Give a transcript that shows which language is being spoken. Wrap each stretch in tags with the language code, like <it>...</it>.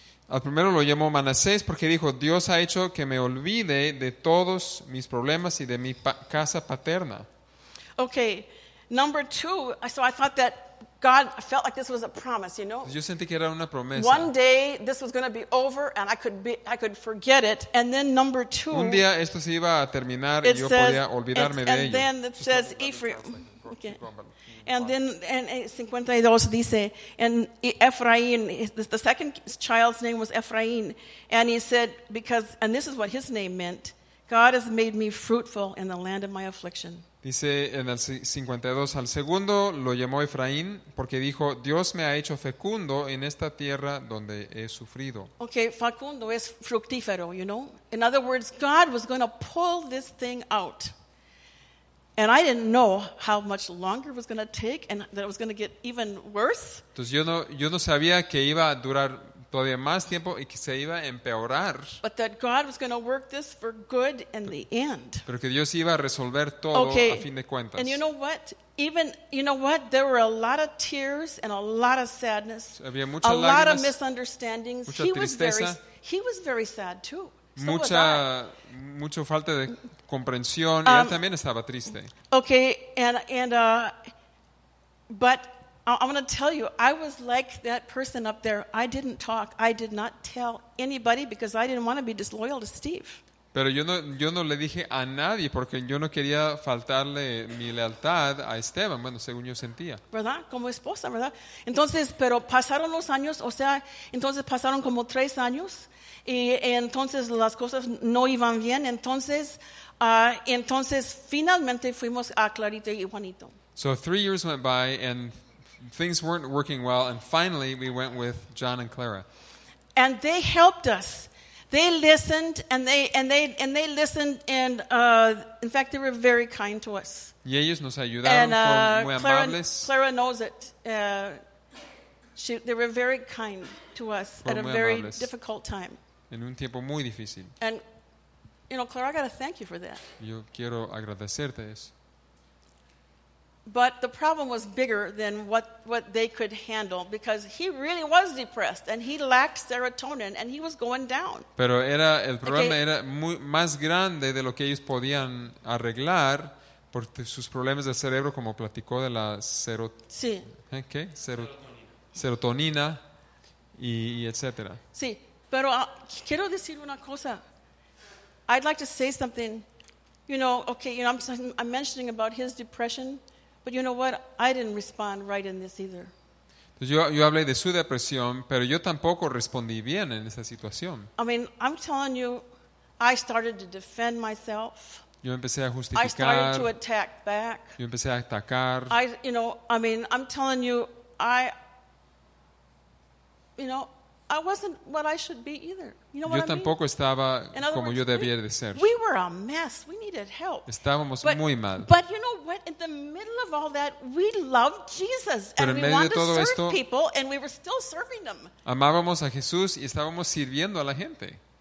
<es>Al primero lo llamó Manasés porque dijo, Dios ha hecho que me olvide de todos mis problemas y de mi casa paterna.</es> <en>Okay. Number two, so I thought that God, I felt like this was a promise, you know?</en> <es>Yo sentí que era una promesa.</es> <en>One day this was going to be over and I could forget it. And then number two,</en> <es>un día esto se iba a terminar y yo podía olvidarme de ello.</es> <en>And then it says Ephraim. Okay. And then in 52 dice, and Ephraim, the second child's name was Ephraim. And he said, because, and this is what his name meant, God has made me fruitful in the land of my affliction.</en> <es>Dice en el 52, al segundo lo llamó Efraín porque dijo, Dios me ha hecho fecundo en esta tierra donde he sufrido.</es> <en>Okay,</en> <es>fecundo es fructífero,</es> <en>you know. In other words, God was going to pull this thing out. And I didn't know how much longer it was going to take and that it was going to get even worse.</en> <es>Entonces yo no sabía que iba a durar todavía más tiempo y que se iba a empeorar.</es> <en>But that God was going to work this for good in the end.</en> <es>Pero que Dios iba a resolver todo,</es> <en>okay,</en> <es>a fin de cuentas.</es> <en>And you know what? Even, you know what? There were a lot of tears and a lot of sadness.</en> <es>Había muchas</es> <en>lágrimas, lot of misunderstandings.</en> <es>Mucha tristeza. He was very sad too. Mucha falta de comprensión. Y él también estaba triste.</es> <en>Okay, but I'm going to tell you, I was like that person up there. I didn't talk. I did not tell anybody because I didn't want to be disloyal to Steve.</en> <es>Pero yo no le dije a nadie porque yo no quería faltarle mi lealtad a Esteban, bueno, según yo sentía. ¿Verdad? Como esposa, ¿verdad? Entonces, pero pasaron los años, o sea, entonces pasaron como 3 años y entonces las cosas no iban bien. Entonces finalmente fuimos a Clarita y Juanito.</es> <en>So 3 years went by and things weren't working well and finally we went with John and Clara. And they helped us. They listened and they listened and in fact they were very kind to us.</en> <es>Y ellos nos ayudaron, fueron muy amables.</es> <en>Clara knows it. They were very kind to us</en> <es>fueron</es> <en>at a very</en> <es>amables.</es> <en>Difficult time.</en> <es>En un tiempo muy difícil.</es> <en>And you know, Clara, I gotta thank you for that.</en> <es>Yo quiero agradecerte eso.</es> <en>But the problem was bigger than what they could handle because he really was depressed and he lacked serotonin and he was going down.</en> <es>Pero era el problema, okay, era muy más grande de lo que ellos podían arreglar por sus problemas del cerebro, como platicó de la serotonina y etcétera. Sí, pero quiero decir una cosa.</es> <en>I'd like to say something. You know, okay, you know, I'm mentioning about his depression. But you know what? I didn't respond right in this either.</en> <es>Yo hablé de su depresión, pero yo tampoco respondí bien en esa situación.</es> <en>I mean, I'm telling you, I started to defend myself.</en> <es>Yo empecé a justificar.</es> <en>I started to attack back.</en> <es>Yo empecé a atacar.</es> <en>I'm telling you, I wasn't what I should be either. You know what I mean?</en> <es>Yo tampoco estaba como yo debía de ser.</es> <en>We were a mess. We needed help.</en> <es>Estábamos muy mal.</es> <en>But you know what? In the middle of all that, we loved Jesus and we wanted to serve people and we were still serving them.</en> <es>Amábamos a Jesús y estábamos sirviendo a la gente.</es>